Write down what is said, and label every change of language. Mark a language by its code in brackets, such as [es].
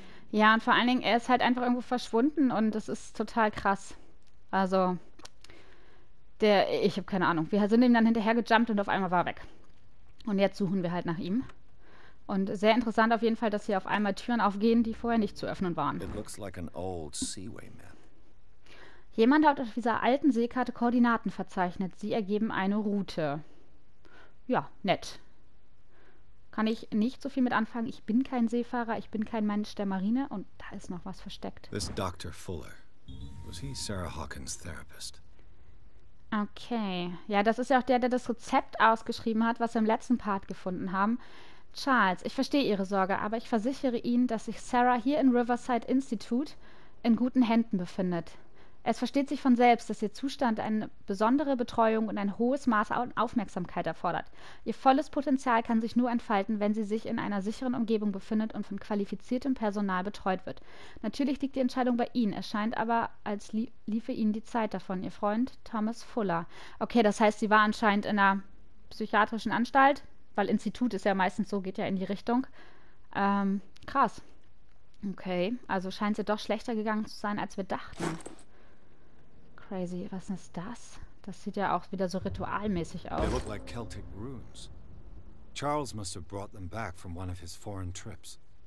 [de] Ja, und vor allen Dingen, er ist halt einfach irgendwo verschwunden und das ist total krass. Also, ich habe keine Ahnung. Wir sind ihm dann hinterher gejumpt und auf einmal war er weg. Und jetzt suchen wir halt nach ihm. Und sehr interessant auf jeden Fall, dass hier auf einmal Türen aufgehen, die vorher nicht zu öffnen waren. [en] It looks like an old seaway map. [de] Jemand hat auf dieser alten Seekarte Koordinaten verzeichnet. Sie ergeben eine Route. Ja, nett. Kann ich nicht so viel mit anfangen. Ich bin kein Seefahrer, ich bin kein Mensch der Marine, und da ist noch was versteckt. [en] This Dr. Fuller, was he Sarah Hawkins' therapist? [de] Okay, ja, das ist ja auch der das Rezept ausgeschrieben hat, was wir im letzten Part gefunden haben. Charles, ich verstehe Ihre Sorge, aber ich versichere Ihnen, dass sich Sarah hier im Riverside Institute in guten Händen befindet. Es versteht sich von selbst, dass ihr Zustand eine besondere Betreuung und ein hohes Maß an Aufmerksamkeit erfordert. Ihr volles Potenzial kann sich nur entfalten, wenn sie sich in einer sicheren Umgebung befindet und von qualifiziertem Personal betreut wird. Natürlich liegt die Entscheidung bei Ihnen. Es scheint aber, als liefe Ihnen die Zeit davon. Ihr Freund Thomas Fuller. Okay, das heißt, sie war anscheinend in einer psychiatrischen Anstalt, weil Institut ist ja meistens so, geht ja in die Richtung. Krass. Okay, also scheint sie doch schlechter gegangen zu sein, als wir dachten. Crazy, was ist das? Das sieht ja auch wieder so ritualmäßig aus. [en] They look like Celtic runes. Charles must have brought them back from one of his foreign trips.